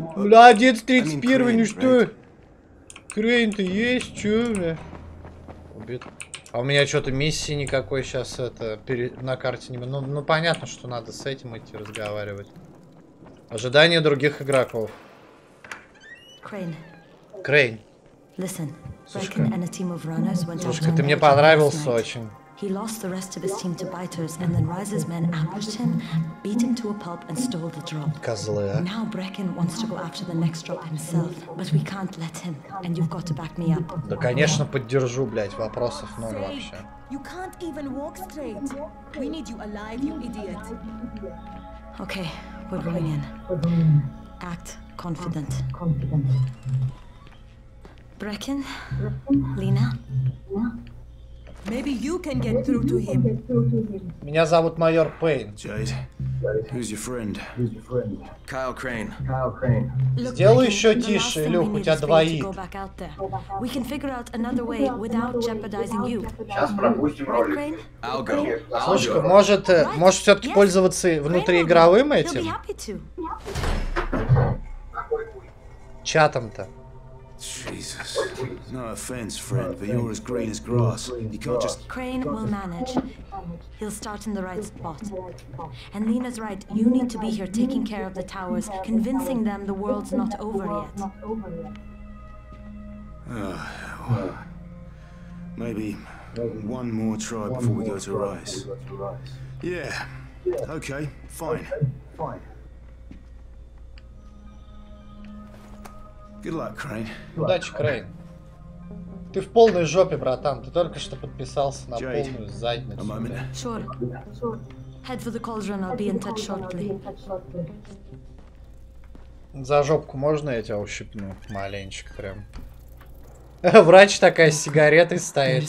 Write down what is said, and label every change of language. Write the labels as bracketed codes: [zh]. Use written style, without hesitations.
[ru] Молодец, 31, [en] I mean, [ru] Crane, ну [en] right? [ru] Что? Крейн-то есть, чё у меня? Убит. А у меня что-то миссии никакой сейчас это на карте не... Ну, ну понятно, что надо с этим идти разговаривать. Ожидание других игроков. Крейн. Крейн. [en] Listen, Брекен and a team of runners went out. [ru] Слушай, ты мне понравился очень. [en] He lost the rest of his team to biters, and then Rise's men ambushed him, beat him to a pulp, and stole the drop. [ru] Козлы, а. [en] Now Брекен wants to go after the next drop himself, but we can't let him, and you've got to back me up. [ru] Да, конечно, поддержу, блять, вопросов ноль вообще. [en] You can't even walk straight. We need you alive, you idiot. Okay, we're going in. Act confident. Брекен? Лина? Maybe you can get through to him. [ru] Меня зовут майор Пейн. [en] Джейд, who's your friend? [ru] Кайл Крейн. Сделай еще тише, Люк, у тебя двоит. [en] We can figure out another way without jeopardizing you. [ru] Сейчас пропустим ролик. [en] I'll go. [ru] Слушай, может, может все-таки пользоваться внутриигровым этим? Чатом-то. [en] Jesus. No offense, friend, but you're as green as grass. You can't just... Crane will manage. He'll start in the right spot. And Lena's right, you need to be here taking care of the towers, convincing them the world's not over yet. Oh, well, maybe one more try before we go to Rice. Yeah. Okay, fine. Good luck, Crane. [ru] Удачи, Крейн. Ты в полной жопе, братан. Ты только что подписался на полную задницу. [en] Head for the cauldron, I'll be in touch shortly. [ru] За жопку можно я тебя ущипну? Маленечко прям. Врач такая с сигаретой стоит.